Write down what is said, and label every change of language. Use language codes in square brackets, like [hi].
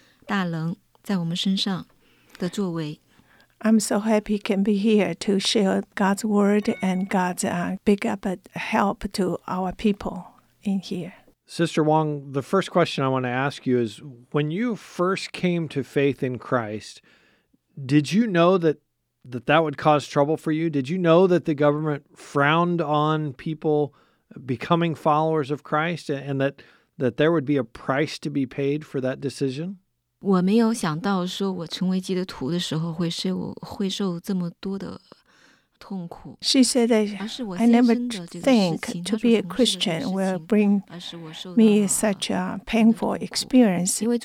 [zh] 非常高兴今天能够在这个广播站和大家一起分享神的话语和我们所经历神的大能在我们身上的作为。 [en] I'm so happy can be here to share God's word and God's big up help to our people in here. Sister Wong, the first question I want to ask you is, when you first came to faith in Christ, did you know that would cause trouble for you? Did you know that the government frowned on people becoming followers of Christ and that there would be a price to be paid for that decision? [zh] 我没有想到说我成为基督徒的时候会受这么多的痛苦。 [en] She said that I never think to be a Christian will bring me such a painful experience.